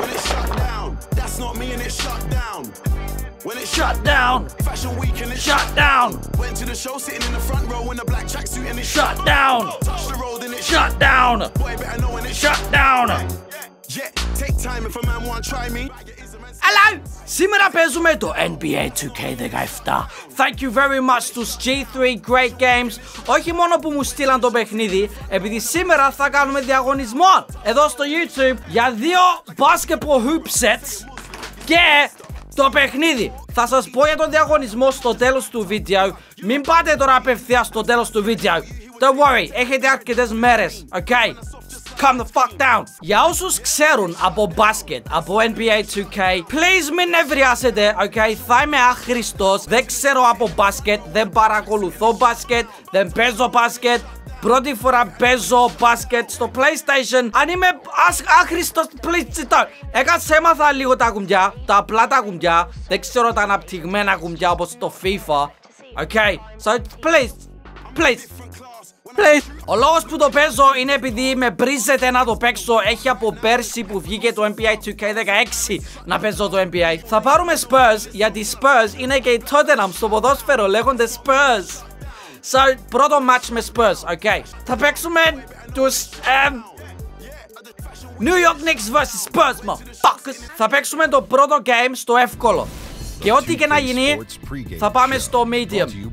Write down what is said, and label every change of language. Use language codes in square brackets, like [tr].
[en] When it's shut down, that's not me and it's shut down. When it's shut down, fashion week and it's shut down. Went to the show sitting in the front row in a black tracksuit and it's shut down. Touch the road and it's shut down. Boy, better know when it's shut down. Yeah, take time if a man wanna try me. Hello! [el] Σήμερα παίζουμε το NBA 2K17. [en] Thank you very much [el] στους [en] G3 Great Games. [el] Όχι μόνο που μου στείλαν το παιχνίδι, επειδή σήμερα θα κάνουμε διαγωνισμό εδώ στο YouTube για δύο basketball hoop sets και το παιχνίδι. Θα σας πω για τον διαγωνισμό στο τέλος του βίντεο. Μην πάτε τώρα απευθείας στο τέλος του βίντεο. [en] Don't worry, [el] έχετε αρκετές μέρες, okay? [en] Calm the fuck down. [el] Για όσους ξέρουν από μπάσκετ, από NBA 2K, [en] please [el] μην νευριάσετε, okay? Θα είμαι άχρηστος. Δεν ξέρω από μπάσκετ, δεν παρακολουθώ μπάσκετ, δεν παίζω μπάσκετ. Πρώτη φορά παίζω μπάσκετ στο PlayStation. Αν είμαι άχρηστος, [en] please sit down. [el] Έκασε, έμαθα λίγο τα κουμπιά, τα απλά τα κουμπιά. Δεν ξέρω τα αναπτυγμένα κουμπιά όπως το FIFA. [en] Okay, so please. Please. [el] Ο λόγος που το παίζω είναι επειδή με πρίζεται να το παίξω. Έχει από πέρσι που βγήκε το NBA 2K16 να παίζω το NBA. Θα πάρουμε Spurs, γιατί Spurs είναι και η Tottenham στο ποδόσφαιρο, λέγονται Spurs. [en] So, [el] πρώτο match με Spurs, okay. Θα παίξουμε τους New York Knicks vs Spurs, motherfuckers. Θα παίξουμε το πρώτο game στο εύκολο. Και ό,τι και να γίνει, θα πάμε στο medium.